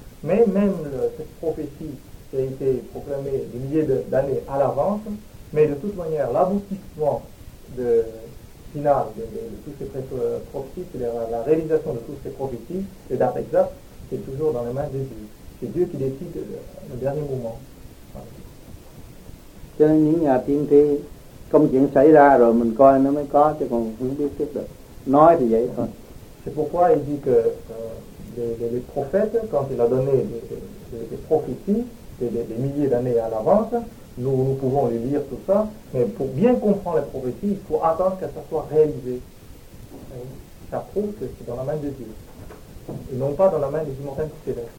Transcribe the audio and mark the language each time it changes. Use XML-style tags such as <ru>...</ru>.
<fr>Mais même cette prophétie qui a été proclamée des milliers d'années à l'avance, mais de toute manière, l'aboutissement final de toutes ces prophéties, c'est-à-dire la réalisation de toutes ces prophéties, et d'après ça, c'est toujours dans les mains de Dieu. C'est Dieu qui décide le dernier moment. Voilà.</fr> <vi>Công chuyện xảy ra rồi mình coi nó mới có chứ còn không biết tiếp được. Nói thì vậy thôi.</vi> <fr>C'est pourquoi il dit que les prophètes, quand il a donné des prophéties, des milliers d'années à l'avance, nous pouvons les lire tout ça, mais pour bien comprendre les prophéties, il faut attendre que ça soit réalisé. Ça prouve que c'est dans la main de Dieu, et non pas dans la main des immortels célestes.</fr>